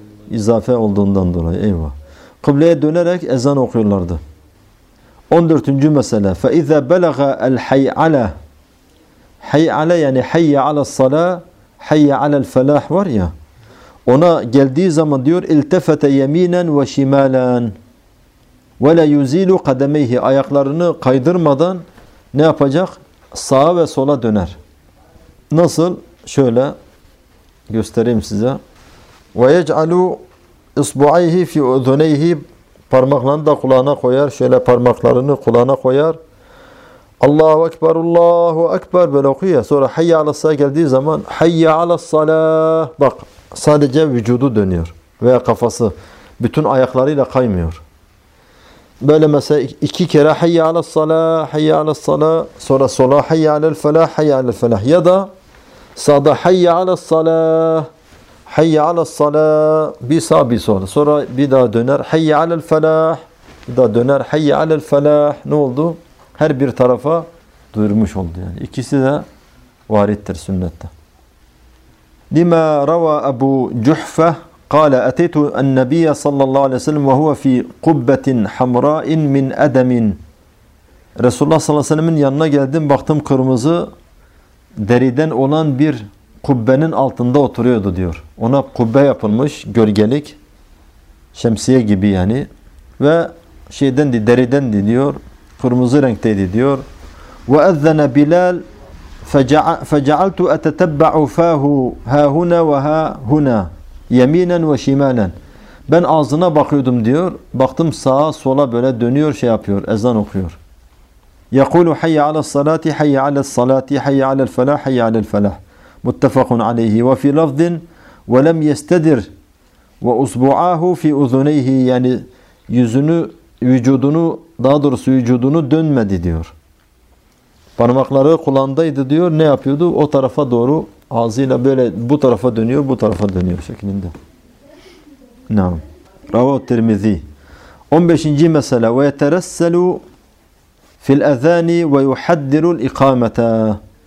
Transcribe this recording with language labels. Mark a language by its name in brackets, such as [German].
[Turkish] İzafe olduğundan dolayı. Eyvah. Kıbleye dönerek ezan okuyorlardı. 14. mesele. [Arabic] فَاِذَا بَلَغَ الْحَيْعَلَى. [Turkish] Hayyala yani [Arabic] حَيَّ عَلَى الصَّلَى حَيَّ عَلَى الْفَلَاحِ [Turkish] var ya. Ona geldiği zaman diyor [Arabic] اِلْتَفَتَ يَم۪ينًا وَشِمَالًا وَلَا يُز۪يلُ قَدَمَيْهِ. [Turkish] Ayaklarını kaydırmadan ne yapacak? Sağa ve sola döner. Nasıl? Şöyle göstereyim size. [Arabic] Ve yec'alu isbu'ayhi fi udhuneyhi. [Turkish] Parmaklarını da kulağına koyar. Şöyle parmaklarını kulağına koyar. Allahu ekber, Allahu ekber. Böyle okuyor. Sonra hayya alassa geldiği zaman hayya alassalah. Bak sadece vücudu dönüyor. Veya kafası. Bütün ayaklarıyla kaymıyor. Böyle mesela iki kere hayya alassalah, hayya alassalah, sonra sola hayya alel felah, hayya alel felah. Ya da sağda hayya alassalah, hayya alassalah, bir sağ bir sol. Sonra bir daha döner hayya alel felah, bir daha döner hayya alel felah. Ne oldu? Her bir tarafa duyurmuş oldu yani. İkisi de varittir sünnette. [Arabic] لما روى أبو جحفة قال أتيت النبي صلى الله عليه وسلم وهو في قبة حمراء من أدم. [Turkish] Resulullah sallallahu aleyhi ve sellem'in yanına geldim, baktım kırmızı deriden olan bir kubbenin altında oturuyordu diyor. Ona kubbe yapılmış, gölgelik, şemsiye gibi yani. Ve şeydendi, deridendi diyor, kırmızı renkteydi diyor. [Arabic] وَأَذَّنَ بِلَالْ فَجَعَلْتُ أَتَتَبَّعُ فَاهُ هَا هُنَا وَهَا هُنَا يَمِينًا وَشِمَانًا. [Turkish] Ben ağzına bakıyordum diyor, baktım sağa sola böyle dönüyor, şey yapıyor, ezan okuyor. [Arabic] يقول حي على الصلاة حي على الصلاة حي على الفلاح حي على الفلاح متفق عليه وفي لفظ ولم يستدر وأصبعاه في أذنيه يعني [Turkish] yüzünü vücudunu daha doğrusu vücudunu dönmedi diyor. Parmakları kulağındaydı diyor. Ne yapıyordu? O tarafa doğru ağzıyla böyle bu tarafa dönüyor, bu tarafa dönüyor şeklinde. [Arabic] Naam. [Turkish] Ravu Tirmizi. 15. mesele [Arabic] ve yeterasselu fil azani ve yuhaddiru al-iqamata.